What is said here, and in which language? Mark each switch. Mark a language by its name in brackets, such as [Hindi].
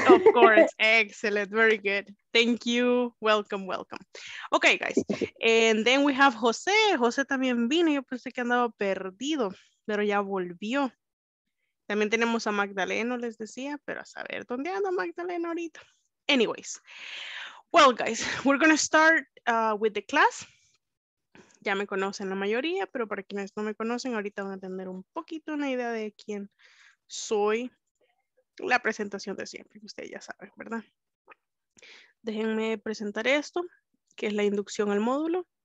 [English] Of course. Excellent. Very good. Thank you. Welcome, welcome. Okay, guys. And then we have José. [Spanish] José también vino. Yo pensé que andaba perdido, pero ya volvió. También tenemos a Magdalena, les decía, pero a saber dónde anda Magdalena ahorita. [English] Anyways. Well, guys, we're going to start with the class. [Spanish] Ya me conocen la mayoría, pero para quienes no me conocen, ahorita van a tener un poquito una idea de quién soy. La presentación de siempre, ustedes ya saben, ¿verdad? Déjenme presentar esto, que es la inducción al módulo.